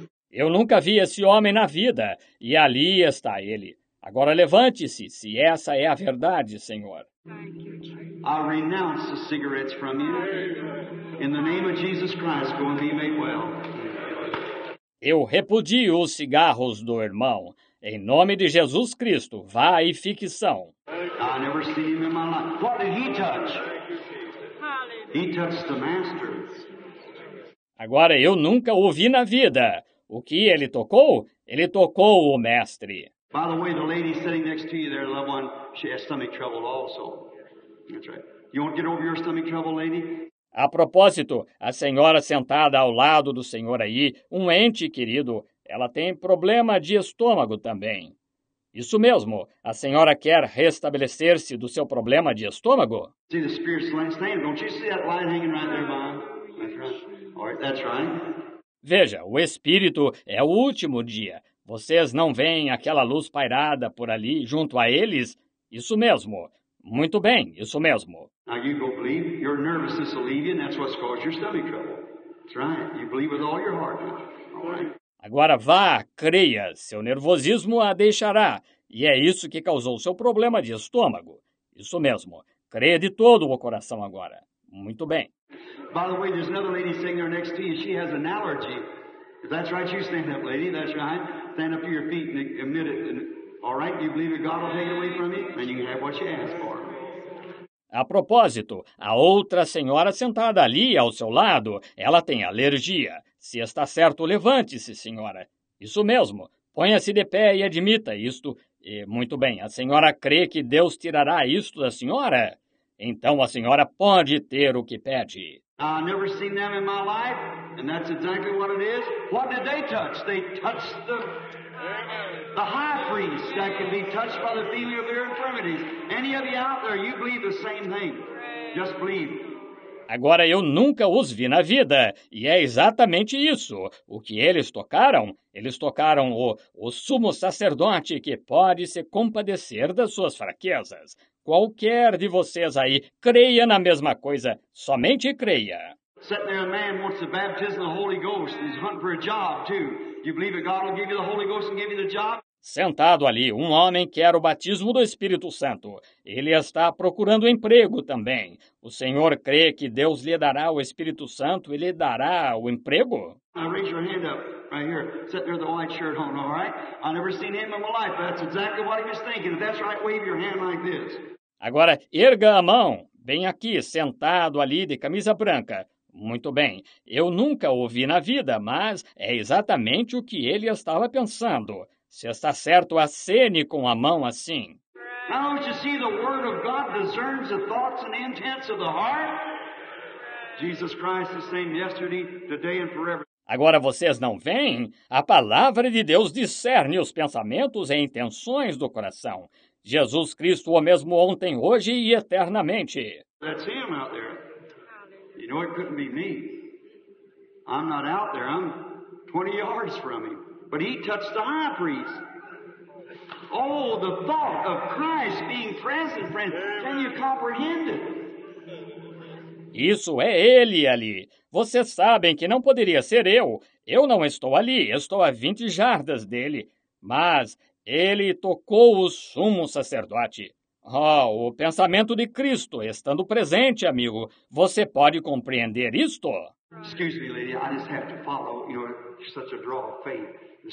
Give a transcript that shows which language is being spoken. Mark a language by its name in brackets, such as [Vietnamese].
[Portuguese] Eu nunca vi esse homem na vida, e ali está ele. Agora levante-se, se essa é a verdade, senhor. [English] I renounce the cigarettes from you. In the name of Jesus Christ, go and be made well. [Portuguese] Eu repudio os cigarros do irmão. Em nome de Jesus Cristo, vá e fique são. [English] I never seen him in my life. What did he touch? He touched the master. [Portuguese] Agora, eu nunca o vi na vida. O que ele tocou? Ele tocou o mestre. [English] By the way, the lady sitting next to you there, loved one, she has stomach trouble also. That's right. You won't get over your stomach trouble, lady? [Portuguese] A propósito, a senhora sentada ao lado do senhor aí, um ente querido, ela tem problema de estômago também. Isso mesmo. A senhora quer restabelecer-se do seu problema de estômago? [English] See the spirit's line standing. Don't you see that line hanging right there, Mom? That's right. All right, that's right. [Portuguese] Veja, o espírito é o último dia. Vocês não veem aquela luz pairada por ali junto a eles? Isso mesmo. Muito bem, isso mesmo. [English] Now you don't believe your nervousness will leave you, and that's what's caused your stomach trouble. That's right. You believe with all your heart. All right. [Portuguese] Agora vá, creia, seu nervosismo a deixará, e é isso que causou seu problema de estômago. Isso mesmo, creia de todo o coração agora. Muito bem. [English] By the way, there's another lady sitting there next to you, she has an allergy. If that's right, you stand up, lady, that's right. Stand up to your feet and admit it. All right, you believe that God will take it away from you, then you can have what you ask for. [Portuguese] A propósito, a outra senhora sentada ali ao seu lado, ela tem alergia. Se está certo, levante-se, senhora. Isso mesmo. Ponha-se de pé e admita isto. E, muito bem, a senhora crê que Deus tirará isto da senhora? Então a senhora pode ter o que pede. [English] Never seen them in my life, and that's exactly what it is. What did they touch? They touched the high priest that can be touched by the feeling of their infirmities. Any of you out there, you believe the same thing. Just believe. [Portuguese] Agora, eu nunca os vi na vida, e é exatamente isso. O que eles tocaram o sumo sacerdote que pode se compadecer das suas fraquezas. Qualquer de vocês aí, creia na mesma coisa, somente creia. [English] Sitting there, a man wants the baptism of the Holy Ghost. He's hunting for a job, too. You believe that God will give you the Holy Ghost and give you the job? [Portuguese] Sentado ali, um homem quer o batismo do Espírito Santo. Ele está procurando emprego também. O senhor crê que Deus lhe dará o Espírito Santo e lhe dará o emprego? [English] Raise your hand up, right here. Sit there with the white shirt on, all right? I've never seen him in my life, but that's exactly what he was thinking. If that's right, wave your hand like this. [Portuguese] Agora, erga a mão. Bem aqui, sentado ali de camisa branca. Muito bem, eu nunca o vi na vida, mas é exatamente o que ele estava pensando. Se está certo, acene com a mão assim. [English] Now, don't you see the word of God discerns the thoughts and intents of the heart? Jesus Christ the same yesterday, today and forever. [Portuguese] Agora vocês não veem? A palavra de Deus discerne os pensamentos e intenções do coração. Jesus Cristo o mesmo ontem, hoje e eternamente. [English] That's him out there. You know, it couldn't be me. I'm not out there. I'm 20 yards from him. But he touched the high priest. Oh, the thought of Christ being present, friend. Can you comprehend it? [Portuguese] Isso é ele ali. Vocês sabem que não poderia ser eu. Eu não estou ali. Estou a 20 jardas dele. Mas ele tocou o sumo sacerdote. Oh, o pensamento de Cristo estando presente, amigo. Você pode compreender isto? [English] Excuse me, lady. I just have to follow. You know, such a draw of faith.